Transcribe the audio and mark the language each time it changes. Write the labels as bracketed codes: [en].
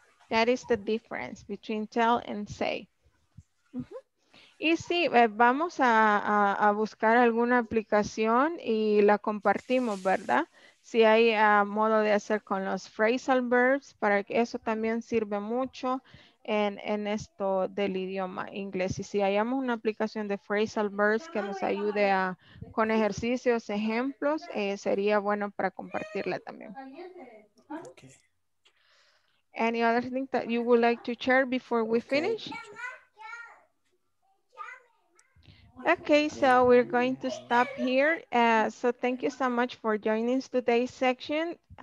[en] That is the difference between tell and say. Uh-huh. [es] Y sí, vamos a buscar alguna aplicación y la compartimos, ¿verdad? Si hay modo de hacer con los phrasal verbs, para que eso también sirve mucho en esto del idioma inglés. Y si hallamos una aplicación de phrasal verbs que nos ayude a, con ejercicios, ejemplos, sería bueno para compartirla también. [en] Okay. Any other thing that you would like to share before we finish? Okay, so we're going to stop here. So thank you so much for joining today's section.